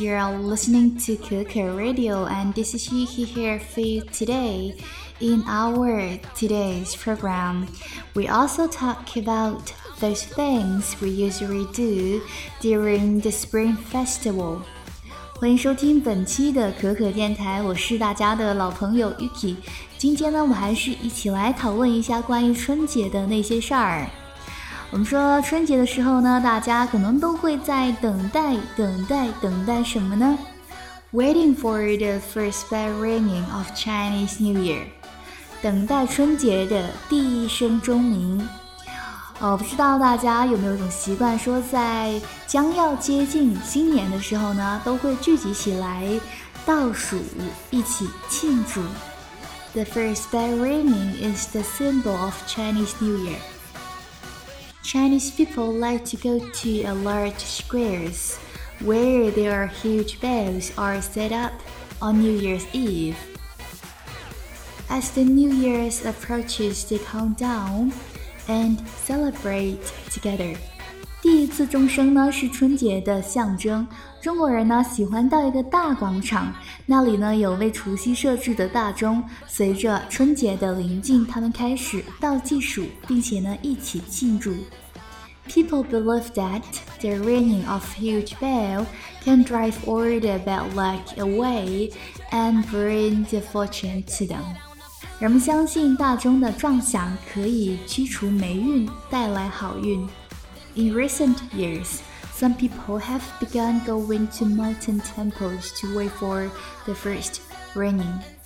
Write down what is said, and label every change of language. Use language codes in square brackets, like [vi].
[en] You're listening to Kuku Radio, and this is Yuki here for you today. In our today's program, we also talk about those things we usually do during the Spring Festival. [zh] 欢迎收听本期的可可电台，我是大家的老朋友 Yuki。今天呢，我还是一起来讨论一下关于春节的那些事儿。我们说春节的时候呢，大家可能都会在等待，等待，等待什么呢？ [en] Waiting for the first bell ringing of Chinese New Year， [zh] 等待春节的第一声钟鸣。不知道大家有没有一种习惯，说在将要接近新年的时候呢，都会聚集起来倒数，一起庆祝。 [en] The first bell ringing is the symbol of Chinese New Year. Chinese people like to go to a large squares where there are huge bells are set up on New Year's Eve. As the New Year's approaches, they count down and celebrate together. [zh] 第一次钟声呢是春节的象征。中国人呢喜欢到一个大广场，那里呢有为除夕设置的大钟，随着春节的临近，他们开始倒计数，并且呢一起庆祝。 [en] People believe that the ringing of huge bell can drive all the bad luck away and bring the fortune to them. [zh] 人们相信大钟的撞响可以驱除霉运，带来好运。 [en] In recent years, some people have begun going to mountain temples to wait for the first ringing.